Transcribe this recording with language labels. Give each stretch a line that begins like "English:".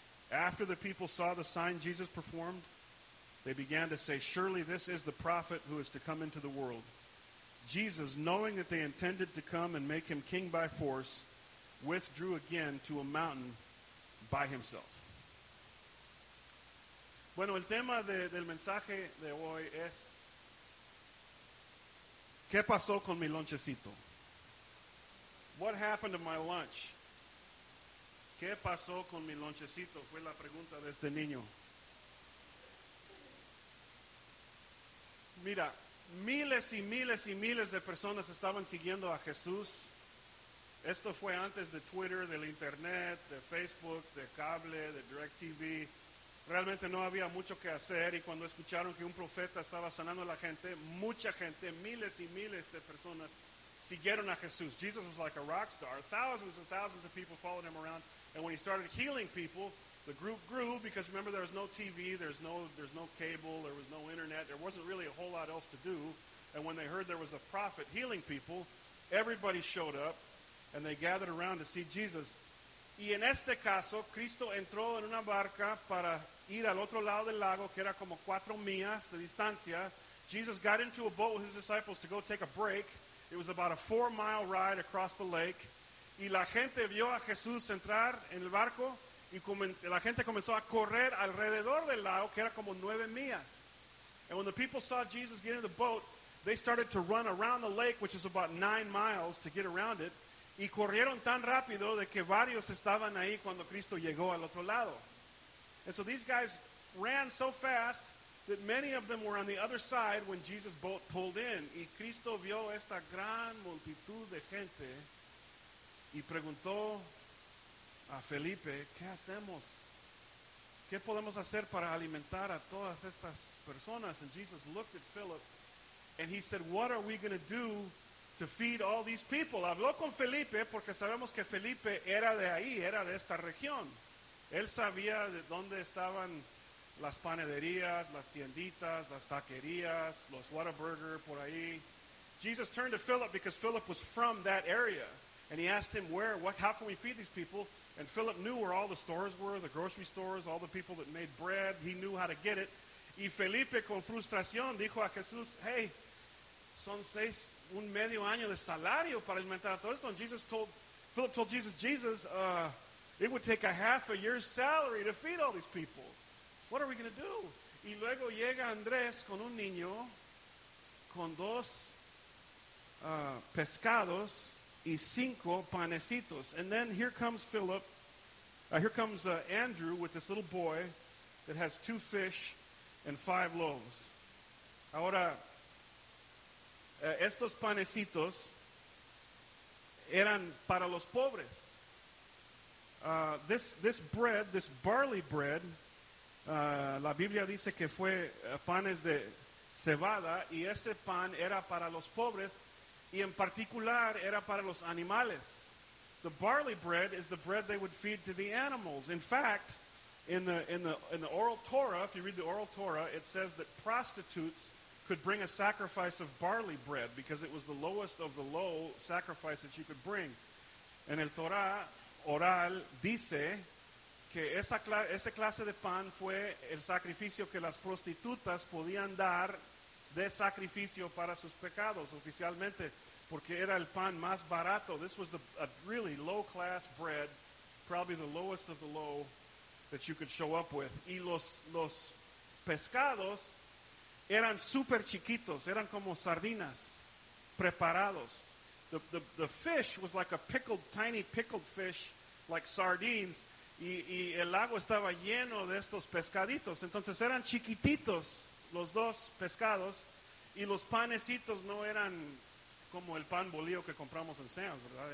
English: After the people saw the sign Jesus performed, they began to say, "Surely this is the prophet who is to come into the world." Jesus, knowing that they intended to come and make him king by force, withdrew again to a mountain by himself.
Spanish: Bueno, el tema del mensaje de hoy es, ¿qué pasó con mi lonchecito?
English: What happened to my lunch?
Spanish: ¿Qué pasó con mi lonchecito? Fue la pregunta de este niño. Mira, miles y miles y miles de personas estaban siguiendo a Jesús. Esto fue antes de Twitter, del Internet, de Facebook, de cable, de DirecTV. Realmente no había mucho que hacer, y cuando escucharon que un profeta estaba sanando a la gente, mucha gente, miles y miles de personas siguieron a Jesús.
English: Jesus was like a rock star. Thousands and thousands of people followed him around. And when he started healing people, the group grew, because remember, there was no TV, there's no cable, there was no internet, there wasn't really a whole lot else to do. And when they heard there was a prophet healing people, everybody showed up and they gathered around to see Jesus.
Spanish: Y en este caso, Cristo entró en una barca para ir al otro lado del lago, que era como 4 millas de distancia.
English: Jesus got into a boat with his disciples to go take a break. It was about a 4-mile ride across the lake.
Spanish: Y la gente vio a Jesús entrar en el barco, y la gente comenzó a correr alrededor del lago, que era como 9 millas.
English: And when the people saw Jesus get in the boat, they started to run around the lake, which is about 9 miles, to get around it.
Spanish: Y corrieron tan rápido de que varios estaban ahí cuando Cristo llegó al otro lado.
English: And so these guys ran so fast that many of them were on the other side when Jesus' boat pulled in.
Spanish: Y Cristo vio esta gran multitud de gente y preguntó a Felipe, ¿qué hacemos? ¿Qué podemos hacer para alimentar a todas estas personas?
English: And Jesus looked at Philip and he said, what are we going to do to feed all these people?
Spanish: Habló con Felipe porque sabemos que Felipe era de ahí, era de esta región. Él sabía de dónde estaban las panaderías, las tienditas, las taquerías, los Whataburger por ahí.
English: Jesus turned to Philip because Philip was from that area. And he asked him, how can we feed these people? And Philip knew where all the stores were, the grocery stores, all the people that made bread. He knew how to get it.
Spanish: Y Felipe, con frustración, dijo a Jesús, hey, son 6 1/2 años de salario para alimentar a todo esto.
English: And Jesus told, Philip told Jesus, it would take a half a year's salary to feed all these people. What are we going to do?
Spanish: Y luego llega Andrés con un niño, con 2 pescados y 5 panecitos.
English: And then here comes Philip, Andrew with this little boy that has 2 fish and 5 loaves.
Spanish: Ahora, estos panecitos eran para los pobres.
English: This barley bread,
Spanish: la Biblia dice que fue panes de cebada, y ese pan era para los pobres, y en particular era para los animales.
English: The barley bread is the bread they would feed to the animals. In fact, in the oral Torah, if you read the oral Torah, it says that prostitutes could bring a sacrifice of barley bread because it was the lowest of the low sacrifice that you could bring.
Spanish: En el Torah oral dice que esa clase de pan fue el sacrificio que las prostitutas podían dar de sacrificio para sus pecados oficialmente, porque era el pan más barato.
English: This was a really low-class bread, probably the lowest of the low that you could show up with.
Spanish: Y los pescados eran super chiquitos, eran como sardinas preparados. The fish was like a tiny pickled fish, like sardines. Y el lago estaba lleno de estos pescaditos. Entonces eran chiquititos los 2 pescados. Y los panecitos no eran como el pan bolillo que compramos en Sam's, ¿verdad?